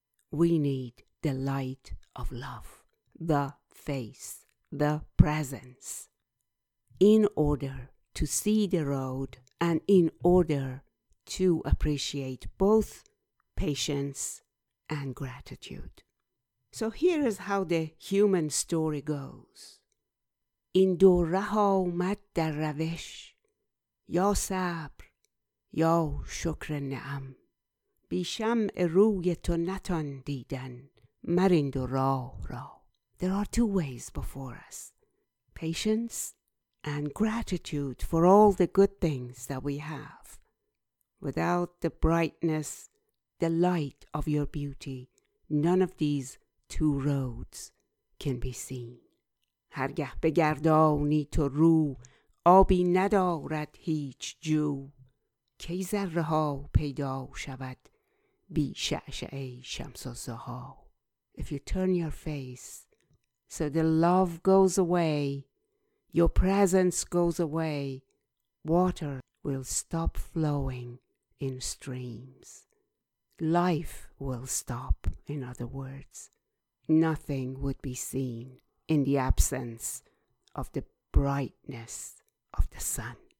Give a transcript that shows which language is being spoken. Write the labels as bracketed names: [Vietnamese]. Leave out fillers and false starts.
[English] We need the light of love, the face, the presence, in order to see the road and in order to appreciate both patience and gratitude. So here is how the human story goes. [Persian] این دو راه آمد در روش یا صبر یا شکر نعم بی شمع روی تو نتان دیدن مر این دو راه را. [English] There are two ways before us. Patience and gratitude for all the good things that we have. Without the brightness, the light of your beauty, none of these two roads can be seen. [Persian] هرگه بگردانی تو رو آبی ندارد هیچ جو کی ذره ها پیدا شود بی شعشعه شمس الضحا. [English] If you turn your face so the love goes away, your presence goes away, water will stop flowing in streams. Life will stop, in other words. Nothing would be seen in the absence of the brightness of the sun.